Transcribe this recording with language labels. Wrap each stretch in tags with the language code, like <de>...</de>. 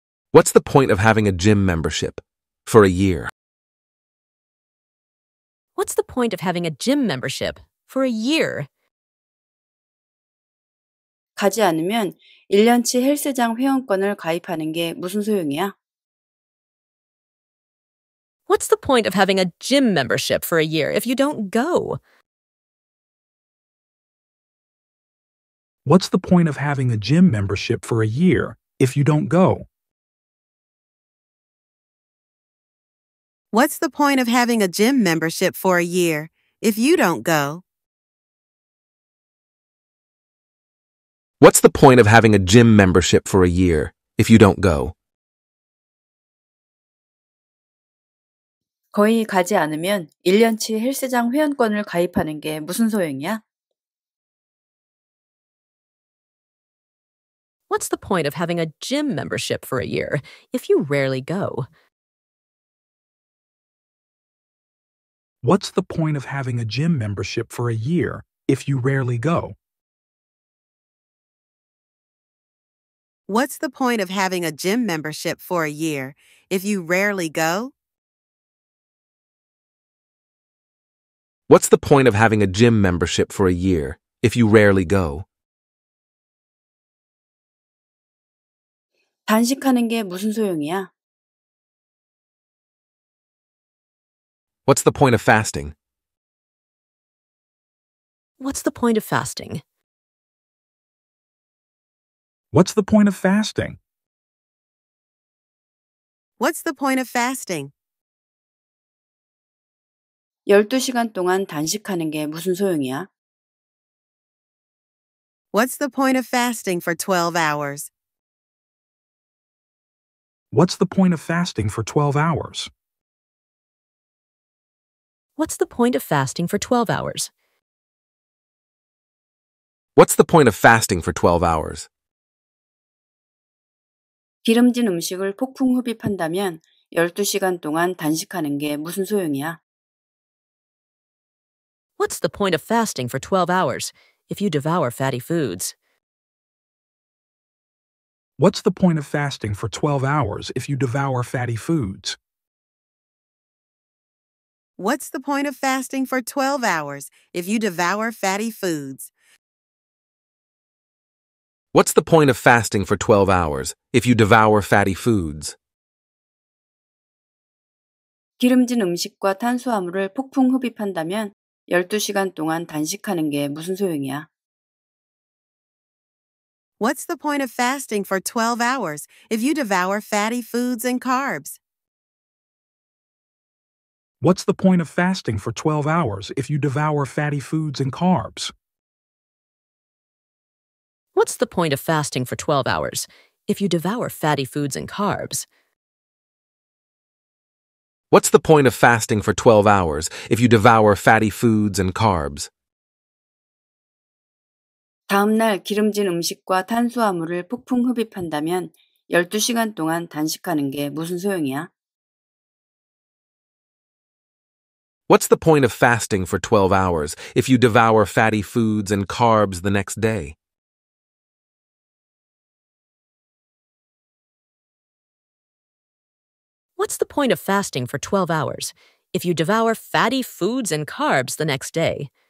<en>What's the point of having a gym membership for a year? What's the point of having a gym membership for a year?</en> <ko>가지 않으면 1년치 헬스장 회원권을 가입하는 게 무슨 소용이야?</ko> <en>What's the point of having a gym membership for a year if you don't go? What's the point of having a gym membership for a year if you don't go? What's the point of having a gym membership for a year if you don't go? What's the point of having a gym membership for a year if you don't go?</en> <ko>거의 가지 않으면 1년치 헬스장 회원권을 가입하는 게 무슨 소용이야?</ko> <en>What's the point of having a gym membership for a year if you rarely go? What's the point of having a gym membership for a year if you rarely go? What's the point of having a gym membership for a year if you rarely go? What's the point of having a gym membership for a year if you rarely go?</en> <ko>단식하는 게 무슨 소용이야?</ko> <en>What's the point of fasting? What's the point of fasting? What's the point of fasting? What's the point of fasting?</en> <ko>12시간 동안 단식하는 게 무슨 소용이야?</ko> <en>What's the point of fasting for 12 hours? What's the point of fasting for 12 hours? What's the point of fasting for 12 hours? What's the point of fasting for 12 hours?</en> <ko>기름진 음식을 폭풍 흡입한다면 12시간 동안 단식하는 게 무슨 소용이야?</ko> <en>What's the point of fasting for 12 hours if you devour fatty foods? What's the point of fasting for 12 hours if you devour fatty foods? What's the point of fasting for 12 hours if you devour fatty foods? What's the point of fasting for 12 hours if you devour fatty foods?</en> <ko>기름진 음식과 탄수화물을 폭풍 흡입한다면 12시간 동안 단식하는 게 무슨 소용이야?</ko> <en>What's the point of fasting for 12 hours if you devour fatty foods and carbs? What's the point of fasting for 12 hours if you devour fatty foods and carbs? What's the point of fasting for 12 hours if you devour fatty foods and carbs? What's the point of fasting for 12 hours if you devour fatty foods and carbs?</en> <ko>다음 날 기름진 음식과 탄수화물을 폭풍 흡입한다면 12시간 동안 단식하는 게 무슨 소용이야?</ko> <en>What's the point of fasting for 12 hours if you devour fatty foods and carbs the next day? What's the point of fasting for 12 hours if you devour fatty foods and carbs the next day?</en>